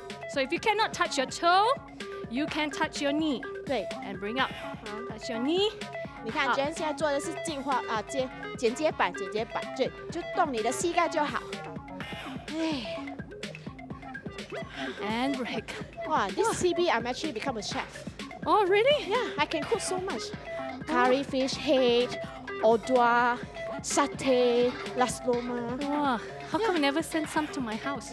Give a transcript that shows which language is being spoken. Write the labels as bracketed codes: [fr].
[en] So if you cannot touch your toe, you can touch your knee. [zh] 对. [en] And bring up. Touch your knee. [zh] 你看 ，Jen 现在做的是进化啊，简洁版，简洁版，对，就动你的膝盖就好。 [en] 哎 ，And break. Wow, this CB, I'm actually become a chef. Oh, really? Yeah, I can cook so much. Curry fish head, odwa, satay, nasi lemak. Wow, how come never send some to my house?